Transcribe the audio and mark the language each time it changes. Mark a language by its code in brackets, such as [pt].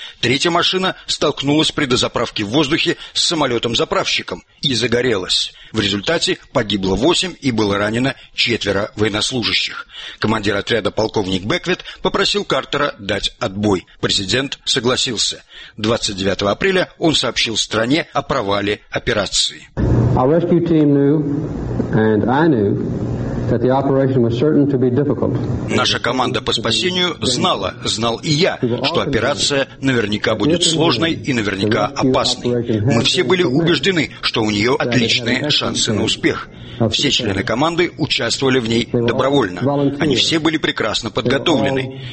[ru] Третья машина столкнулась при дозаправке в воздухе с самолетом-заправщиком и загорелась. В результате погибло 8 и было ранено 4 военнослужащих. Командир отряда полковник Беквит попросил Картера дать отбой. Президент согласился. 29 апреля он сообщил стране о провале операции. [en] Our rescue team knew, and I knew, that the operation was certain to be difficult. [ru] Наша команда по спасению знала, знал и я, что операция наверняка будет сложной и наверняка опасной. Мы все были убеждены, что у нее отличные шансы на успех. Все члены команды участвовали в ней добровольно. Они все были прекрасно подготовлены.